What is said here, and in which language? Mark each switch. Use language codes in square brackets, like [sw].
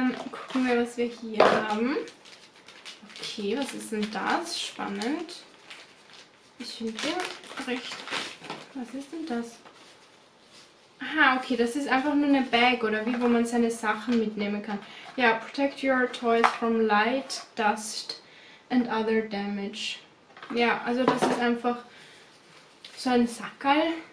[de] Gucken wir, was wir hier haben. Okay, was ist denn das? Spannend. Ich finde den recht. Was ist denn das? Aha, okay, das ist einfach nur eine Bag, oder wie, wo man seine Sachen mitnehmen kann. [en] Ja, protect your toys from light, dust and other damage. [de] Ja, also das ist einfach so ein Sackerl.